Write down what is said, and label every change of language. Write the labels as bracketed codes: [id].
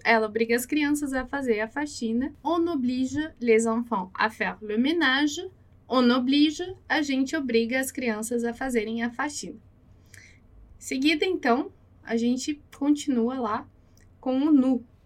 [pt] Ela obriga as crianças a fazer a faxina. [fr] On oblige les enfants à faire le ménage. On oblige, [pt] a gente obriga as crianças a fazerem a faxina. Seguida, então, a gente continua lá com o nous.